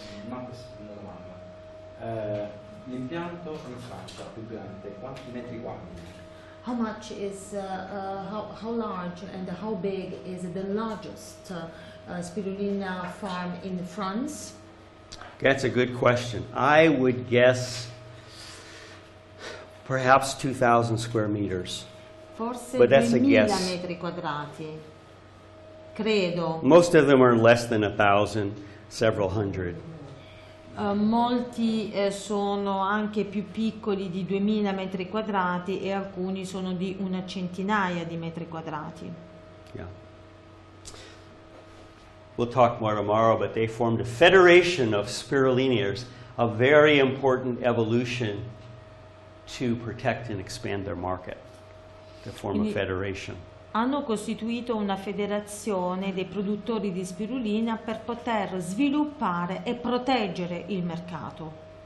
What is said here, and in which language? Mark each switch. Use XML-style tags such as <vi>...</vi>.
<it>Ma questa è una domanda. L'impianto in Francia più grande, quanti metri quadri?</it> <en>How much is how large and how big is the largest spirulina farm in France? That's a good question. I would guess perhaps 2,000 square meters.</en> <it>Forse 2,000 metri quadrati. Credo.</it> <en>Most of them are less than 1,000, several hundred.</en> <it>Molti sono anche più piccoli di 2000 metri quadrati e alcuni sono di una centinaia di metri quadrati.</it> <en>Yeah. We'll talk more tomorrow, but they formed a federation of spiruliniers, a very important evolution to protect and expand their market, to form a federation.</en> <it>Hanno costituito una federazione dei produttori di spirulina per poter sviluppare e proteggere il mercato.</it>